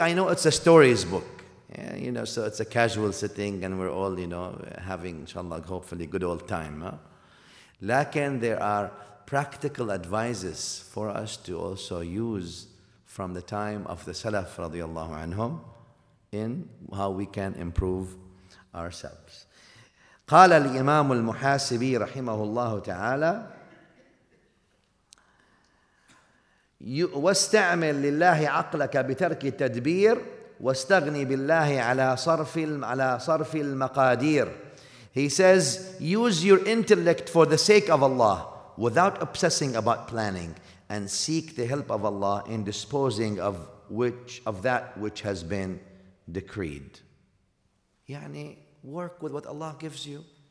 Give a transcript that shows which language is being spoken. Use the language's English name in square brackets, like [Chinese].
[English] I know it's a stories book. Yeah, you know, so it's a casual sitting and we're all, you know, having, inshallah, hopefully good old time. Huh? Lakin, there are practical advices for us to also use from the time of the Salaf, radiallahu anhum, in how we can improve ourselves. [Arabic] قال الإمام المحاسبي رحمه الله تعالى واستعمل لله عقلك بترك التدبير واستغني بالله على صرف المقادير. [English] He says, use your intellect for the sake of Allah without obsessing about planning, and seek the help of Allah in disposing of that which has been decreed. [Arabic] يعني [English] work with what Allah gives you.